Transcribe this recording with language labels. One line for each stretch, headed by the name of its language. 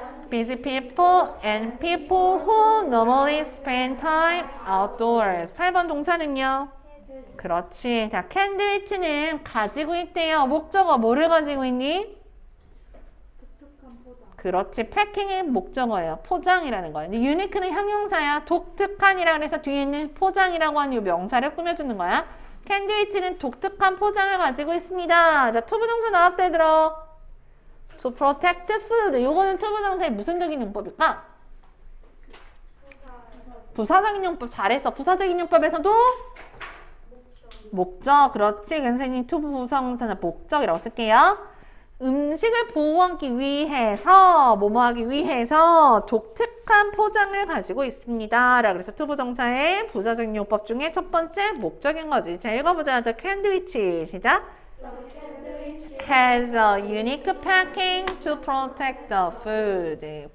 English: Busy people and people who normally spend time outdoors.
Korean: 8번 동사는요? 그렇지. 자, 캔드위치는 가지고 있대요. 목적어 뭐를 가지고 있니? 그렇지. 패킹의 목적어예요. 포장이라는 거야. 근데 유니크는 형용사야. 독특한이라고 해서 뒤에 있는 포장이라고 하는 이 명사를 꾸며주는 거야. 캔드위치는 독특한 포장을 가지고 있습니다. 자, 투부 동사 나왔대 들어.
English: To protect food.
Korean: 요거는 투부 동사의 무슨 적인 용법일까? 부사적인 용법. 잘했어. 부사적인 용법에서도 목적. 그렇지. 선생님 투부 부사동사는 목적이라고 쓸게요. 음식을 보호하기 위해서, 뭐뭐 하기 위해서 독특한 포장을 가지고 있습니다. 그래서 투부 동사의 부사적인 용법 중에 첫 번째 목적인 거지. 자, 읽어보자. 자, 캔드위치. 시작.
English: Has a unique packing to protect the food.